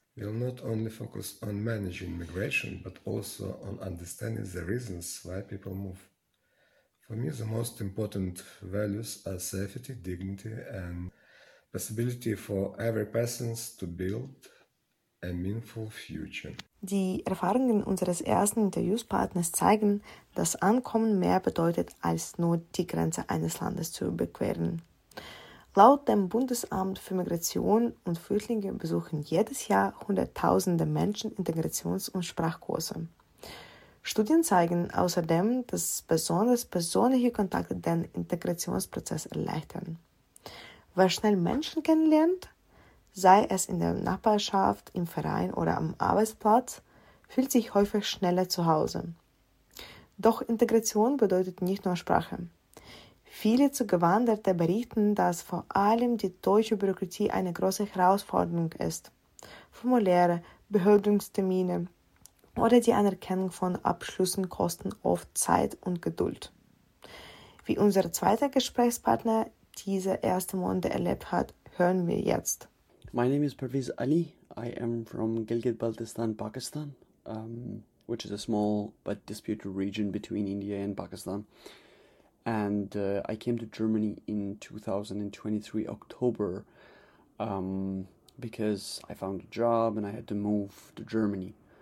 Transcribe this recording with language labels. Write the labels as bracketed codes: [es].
[en] will not only focus on managing migration, but also on understanding the reasons why people move. For me, the most important values are safety, dignity, and possibility for every person to build a meaningful future. [de] Die Erfahrungen unseres ersten Interviewspartners zeigen, dass Ankommen mehr bedeutet, als nur die Grenze eines Landes zu überqueren. Laut dem Bundesamt für Migration und Flüchtlinge besuchen jedes Jahr Hunderttausende Menschen Integrations- und Sprachkurse. Studien zeigen außerdem, dass besonders persönliche Kontakte den Integrationsprozess erleichtern. Wer schnell Menschen kennenlernt, sei es in der Nachbarschaft, im Verein oder am Arbeitsplatz, fühlt sich häufig schneller zu Hause. Doch Integration bedeutet nicht nur Sprache. Viele Zugewanderte berichten, dass vor allem die deutsche Bürokratie eine große Herausforderung ist. Formuläre, Behördungstermine oder die Anerkennung von Abschlüssen kosten oft Zeit und Geduld. Wie unser zweiter Gesprächspartner diese erste Monate erlebt hat, hören wir jetzt. [en] My name is Parviz Ali. I am from Gilgit-Baltistan, Pakistan, which is a small but disputed region between India and Pakistan. And I came to Germany in 2023, October, because I found a job and I had to move to Germany.